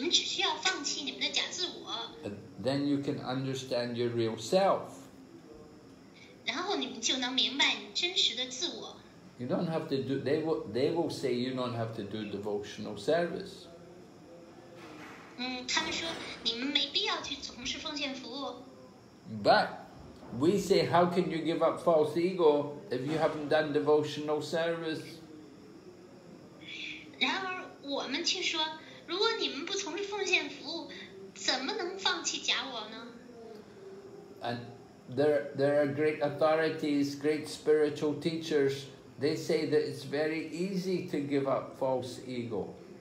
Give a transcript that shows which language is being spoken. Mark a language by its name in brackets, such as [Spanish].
[Chinese] 你们只需要放弃你们的假自我。 [English] Then you can understand your real self. [Chinese] 然后你们就能明白真实的自我。 [English] You don't have to do, they will say you don't have to do devotional service. [Chinese] 他们说你们没必要去从事奉献服务。 [English] But we say, how can you give up false ego if you haven't done devotional service? [Chinese] 然而我们却说， 如果你们不从事奉献服务，怎么能放弃假我呢？ [English] And there are great authorities, great spiritual teachers. They say that it's very easy to give up false ego.